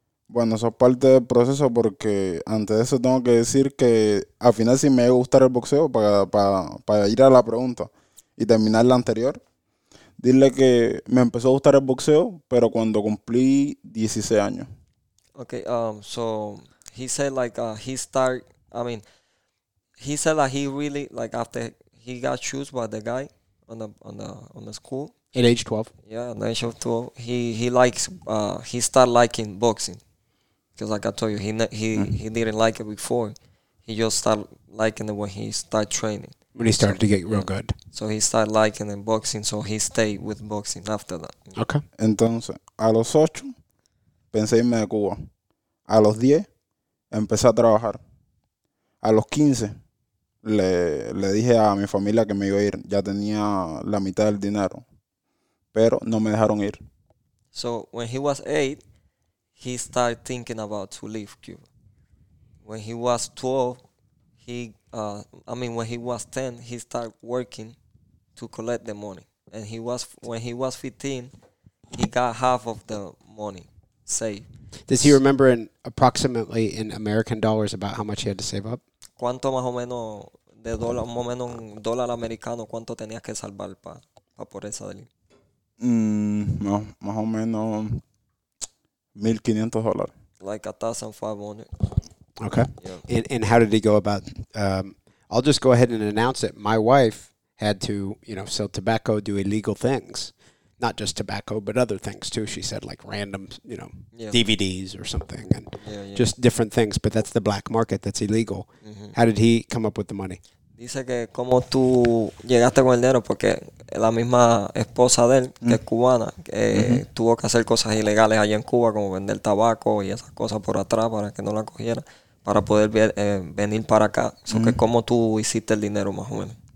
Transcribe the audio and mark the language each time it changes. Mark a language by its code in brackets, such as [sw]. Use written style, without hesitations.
[es] Bueno, eso es parte del proceso porque antes de eso tengo que decir que al final sí me iba a gustar el boxeo para ir a la pregunta y terminar la anterior. Dile que me empezó a gustar el boxeo, pero cuando cumplí 16 años. [en] Okay, so he said like he said that he really like after he got chosen by the guy on the school. At age 12. Yeah, at age of 12, he started liking boxing. Because like I told you, he didn't like it before. He just started liking it when he started training. When he started to get real good. So he started liking it, boxing, so he stayed with boxing after that. Okay. [es] Entonces, a los 8, pensé irme a Cuba. A los 10, empecé a trabajar. A los 15, le dije a mi familia que me iba a ir. Ya tenía la mitad del dinero. Pero no me dejaron ir. [en] So when he was 8, he started thinking about to leave Cuba. When he was 12, when he was 10, he started working to collect the money. And when he was 15, he got half of the money saved. Does he remember approximately in American dollars about how much he had to save up? [es] ¿Cuánto más o menos de dólar, más o menos un dólar americano, cuánto tenías que salvar para poder salir? Más o menos... $1,500. [en] Like $1,500. Okay. Yeah. And how did he go about? I'll just go ahead and announce it. My wife had to, you know, sell tobacco, do illegal things. Not just tobacco, but other things too. She said like random, you know, DVDs or something. And just different things. But that's the black market. That's illegal. Mm-hmm. How did he come up with the money? [es] Dice que como tú llegaste con el dinero, porque la misma esposa de él, que es cubana, tuvo que hacer cosas ilegales allá en Cuba, como vender tabaco y esas cosas por atrás para que no la cogiera, para poder venir para acá. So que ¿cómo tú hiciste el dinero más o menos?